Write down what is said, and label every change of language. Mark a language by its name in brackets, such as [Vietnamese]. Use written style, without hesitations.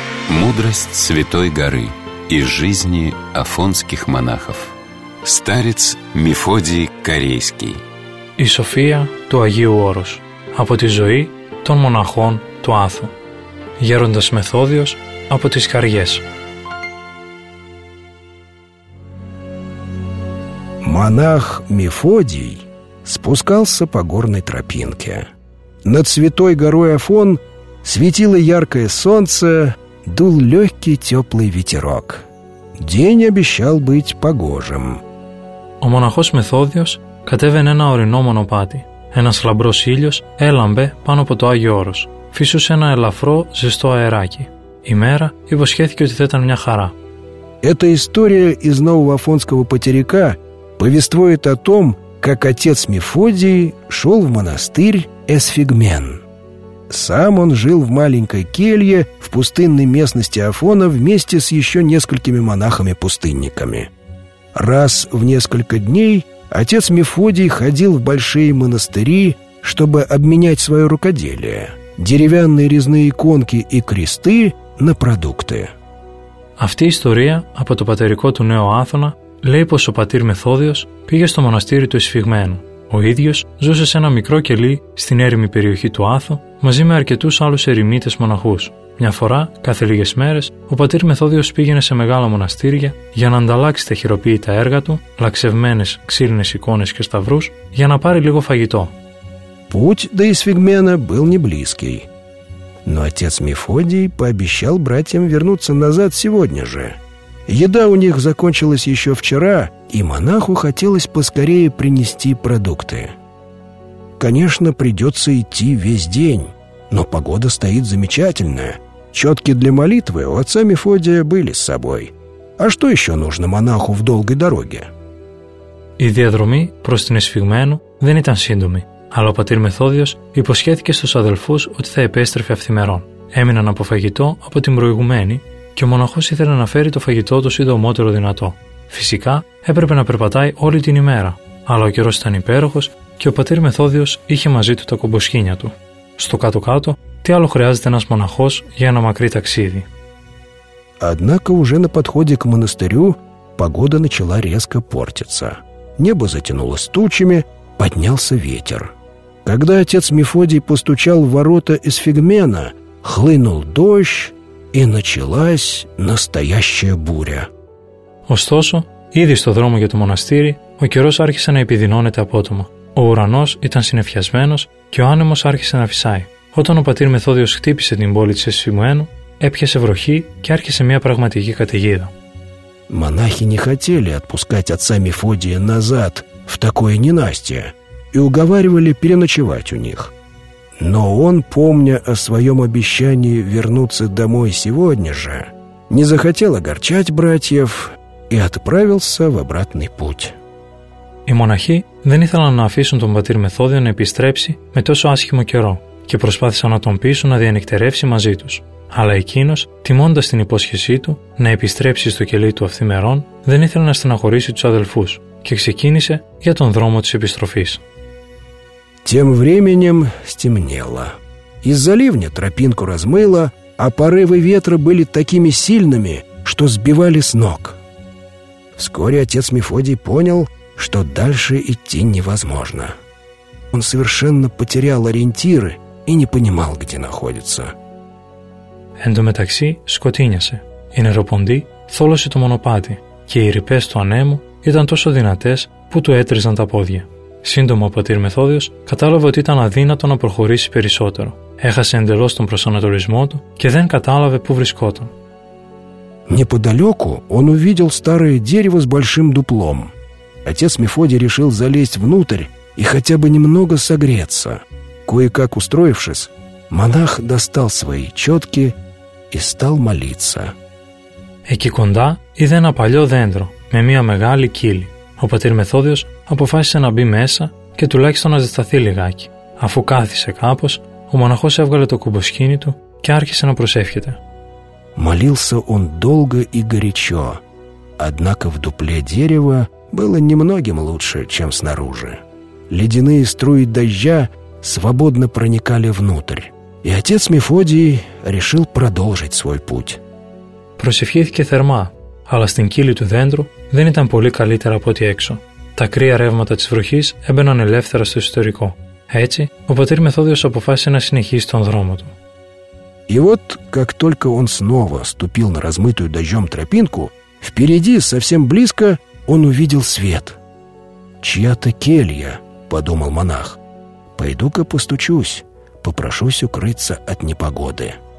[Russian] Мудрость Святой Горы из жизни афонских монахов. Старец Мефодий Корейский. [Greek] И София του Αγίου Όρος. Από τη ζωή των μοναχών του Άθου. Γέροντας Μεθόδιος από τις Καριές. [Russian] Монах Мефодий спускался по горной тропинке. Над Святой Горой Афон светило яркое солнце, дул легкий теплый ветерок. День обещал быть погожим. [Greek] Ο μοναχός Μεθόδιος κατέβαινε ένα ορεινό μονοπάτι. Ένας λαμπρός ήλιος έλαμπε πάνω από το Άγιο Όρος. Φύσουσε ένα ελαφρό ζεστό αεράκι. Η μέρα υποσχέθηκε ότι θα ήταν μια χαρά. [Russian] Эта история из Нового Афонского Патерика повествует о том, как отец Мефодий шел в монастырь Эсфигмен. Сам он жил в маленькой келье в пустынной местности Афона вместе с еще несколькими монахами-пустынниками. Раз в несколько дней отец Мефодий ходил в большие монастыри, чтобы обменять свое рукоделие – деревянные резные иконки и кресты – на продукты. [Greek] Αυτή η ιστορία από το πατερικό του Νέο Άθωνα λέει πως ο πατήρ Μεθόδιος πήγε στο μοναστήρι του Εσφυγμένου. Ο ίδιος ζούσε σε ένα μικρό κελί στην έρημη περιοχή του Άθου μαζί με αρκετούς άλλους ερημίτες μοναχούς. Μια φορά, κάθε λίγες μέρες, ο πατήρ Μεθόδιος πήγαινε σε μεγάλα μοναστήρια για να ανταλλάξει τα χειροποίητα έργα του, λαξευμένες ξύλινες εικόνες και σταυρούς, για να πάρει λίγο φαγητό. [Russian] Путь до Эсфигмена был не близкий. Но отец Мефодий пообещал братьям вернуться назад сегодня же. Еда у них закончилась еще вчера, и монаху хотелось поскорее принести продукты. Конечно, придется идти весь день, но погода стоит замечательная. Четки для молитвы у отца Мефодия были с собой. А что еще нужно монаху в долгой дороге? [Greek] Η διαδρομή προς την Εσφυγμένου δεν ήταν σύντομη, αλλά ο πατήρ Μεθόδιος υποσχέθηκε στους αδελφούς ότι θα επέστρεφε αυθημερών. Έμειναν από φαγητό από την προηγουμένη και ο μοναχός ήθελε να φέρει το φαγητό το σύντομότερο δυνατό. Φυσικά έπρεπε να περπατάει όλη την ημέρα, αλλά ο καιρός ήταν υπέροχος και ο πατήρ Μεθόδιος είχε μαζί του τα κομποσχήνια του. Στο κάτω-κάτω, τι άλλο χρειάζεται ένας μοναχός για ένα μακρύ ταξίδι? [Russian] Однако уже на подходе к монастырю погода начала резко портиться. Небо затянулось тучами, поднялся ветер. Когда отец Мефодий постучал в ворота из Эсфигмена, хлынул дождь, и началась настоящая буря. [Greek] Ωστόσο, ήδη στο δρόμο για το μοναστήρι, ο καιρός άρχισε να επιδεινώνεται απότομα. Ο ουρανός ήταν συννεφιασμένος και ο άνεμος άρχισε να φυσάει. Όταν ο πατήρ Μεθόδιος χτύπησε την πόλη της Εσφυγμένου, έπιασε βροχή και άρχισε μια πραγματική καταιγίδα. [Russian] Μονάχοι не хотели отпускать отца Мефодия назад в такое ненастье и уговаривали переночевать у них. Но он, помня о своем обещании вернуться домой сегодня же, не захотел огорчать братьев и отправился в обратный путь. [Greek] Οι μοναχοί δεν ήθελαν να αφήσουν τον πατήρ Μεθόδιο να επιστρέψει με τόσο άσχημο καιρό και προσπάθησαν να τον πείσουν να διανυκτερεύσει μαζί τους. Αλλά εκείνος, τιμώντας την υπόσχεσή του να επιστρέψει στο κελί του αυθημερών, δεν ήθελε να στεναχωρήσει τους αδελφούς και ξεκίνησε για τον δρόμο της επιστροφής. [Russian] Тем временем стемнело. Из-за ливня тропинку размыло, а порывы ветра были такими сильными, что сбивали с ног. Вскоре отец Мефодий понял, что дальше идти невозможно. Он совершенно потерял ориентиры и не понимал, где находится. [Greek] Εν τω μεταξύ σκοτίνιασε. Η νεροποντή θόλωσε το μονοπάτι και οι ρηπές του ανέμου ήταν τόσο δυνατές που του έτριζαν τα πόδια. Σύντομα ο πατήρ Μεθόδιος κατάλαβε ότι ήταν αδύνατο να προχωρήσει περισσότερο. Έχασε εντελώς τον προσανατολισμό του και δεν κατάλαβε πού βρισκόταν. [Russian] Неподалеку он увидел старое дерево с большим дуплом. Отец Мефодий решил залезть внутрь и хотя бы немного согреться. Кое-как устроившись, монах достал свои четки и стал молиться. [Greek] Εκεί κοντά είδε ένα παλιό δέντρο με μια μεγάλη κύλη. Ο πατήρ Μεθόδιος αποφάσισε να μπει μέσα και τουλάχιστον να ζεσταθεί λιγάκι. Αφού κάθισε κάπως, ο μοναχός έβγαλε το κουμποσχήνι του και άρχισε να προσεύχεται. [Russian] Молился он долго и горячо, однако в дупле дерева было немногим лучше, чем снаружи. Ледяные струи дождя свободно проникали внутрь, и отец Мефодий решил продолжить свой путь. [Greek] Προσευχήθηκε θερμά, αλλά στην κύλη του δέντρου δεν ήταν πολύ καλύτερα από ό,τι έξω. Τα κρύα ρεύματα της βροχής έμπαιναν ελεύθερα στο εσωτερικό. Έτσι, ο πατήρ Μεθόδιος αποφάσισε να συνεχίσει τον δρόμο του. [Russian] И вот, как только он снова ступил на размытую дождем тропинку, впереди, совсем близко, он увидел свет. «Чья-то келья», — подумал монах. «Пойду-ка постучусь, попрошусь укрыться от непогоды».